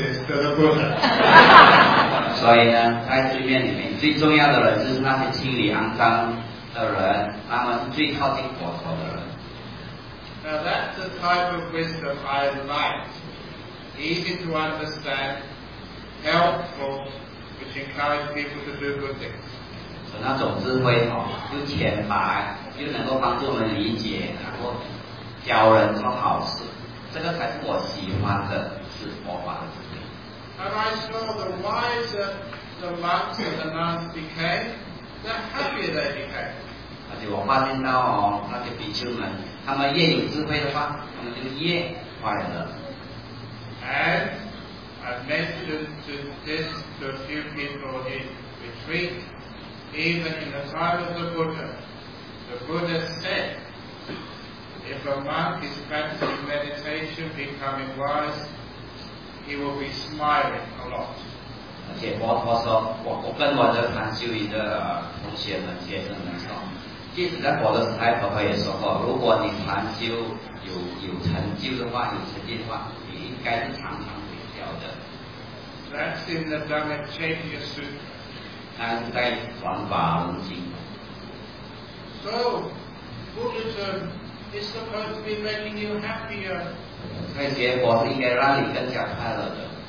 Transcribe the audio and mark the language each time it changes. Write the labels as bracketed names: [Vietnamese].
[English] important person in the temple is the one who does the dirty things by cleaning up afterwards. They are closest to the Buddha. Now that's the type of wisdom I like. Easy to understand, helpful, which encourages people to do good things. [Chinese] 那种智慧哦，又浅白，又能够帮助我们理解，然后教人做好事，这个才是我喜欢的，是佛法的智慧。 [English] And I saw the wiser the monks and the nuns became, the happier they became. [Chinese] 而且我发现到哦，那些比丘们，他们越有智慧的话，他们就越快乐。 [English] And I mentioned to this to a few people in retreat. Even in the time of the Buddha said, if a monk is practicing meditation, becoming wise, he will be smiling a lot. [Chinese] 而且佛陀说，我跟我的禅修营的同学们、学生们说，即使在佛的时代，佛陀也说过，如果你禅修有成就的话，有成绩的话，你应该是常常微笑的。 [English] That's in the Dhamma Chaitanya Sutra. [Chinese] 他是在转法轮经。 [English] So Buddhism is supposed to be making you happier. [Chinese] 所以学佛是应该让你更加快乐的。